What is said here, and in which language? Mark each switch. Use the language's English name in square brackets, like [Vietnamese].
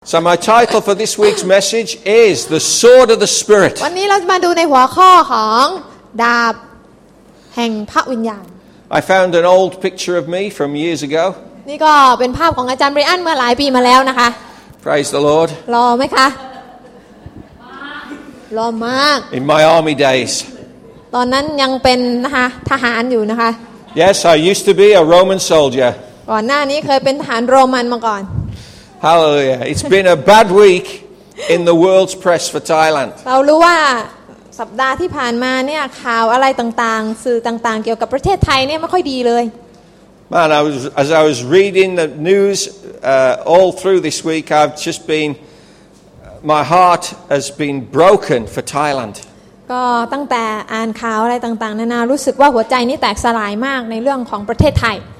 [English] So my title for this week's message is The Sword of the Spirit. [Thai] วันนี้เรามาดูในหัวข้อของดาบแห่งพระวิญญาณ [English] I found an old picture of me from years ago. [Thai] นี่ก็เป็นภาพของอาจารย์บริอันเมื่อหลายปีมาแล้วนะคะ [English] Praise the Lord. [Thai] รอไหมคะรอมาก [English] In my army days. [Thai] ตอนนั้นยังเป็นนะคะทหารอยู่นะคะ [English] Yes, I used to be a Roman soldier. [Thai] ก่อนหน้านี้เคยเป็นทหารโรมันมาก่อน [English] Hallelujah. It's been a bad week in the world's press for Thailand. [Thai] เรารู้ว่าสัปดาห์ที่ผ่านมาเนี่ยข่าวอะไรต่างๆสื่อต่างๆเกี่ยวกับประเทศไทยเนี่ยไม่ค่อยดีเลย [English] Man, as I was reading the news all through this week, I've just been my heart has been broken for Thailand. [Thai] ก็ตั้งแต่อ่านข่าวอะไรต่างๆนานารู้สึกว่าหัวใจนี่แตกสลายมากในเรื่องของประเทศไทย